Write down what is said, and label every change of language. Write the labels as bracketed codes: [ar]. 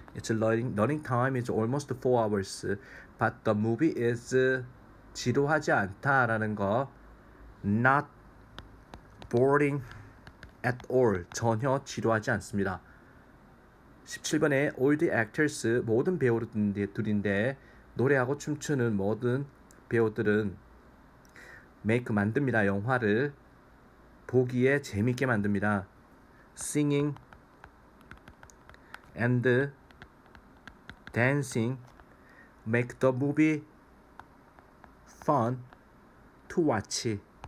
[en] It's learning time is almost 4 hours, but the movie is [ko] 지루하지 않다라는 거. [en] Not boring at all. [ko] 전혀 지루하지 않습니다. 17번에 [en] all the actors, [ko] 모든 배우들인데 노래하고 춤추는 모든 배우들은 만듭니다. 영화를 보기에 재밌게 만듭니다. [en] Singing and dancing make the movie fun to watch.